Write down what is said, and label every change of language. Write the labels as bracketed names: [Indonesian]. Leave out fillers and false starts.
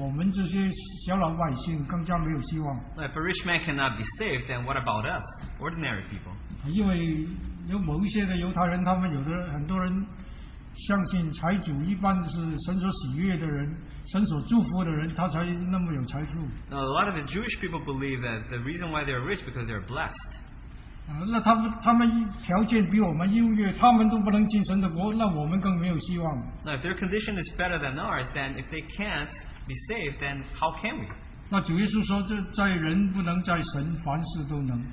[Chinese] 就是说财主都不能得救，他条件那么优越都不能得救，那我们这些小老百姓更加没有希望。 [English] If a rich man cannot be saved, then what about us, ordinary people? [Chinese] 因为有某一些的犹太人，他们有的很多人相信财主一般是神所喜悦的人，神所祝福的人，他才那么有财富。 [English] Now, a lot of the Jewish people believe that the reason why they're rich because they're blessed. [Chinese] 那他们条件比我们优越，他们都不能进神的国，那我们更没有希望。 [English] Now, if their condition is better than ours, then if they can't be saved, then how can we? [Chinese] 那主耶稣说，这在人不能，在神凡事都能。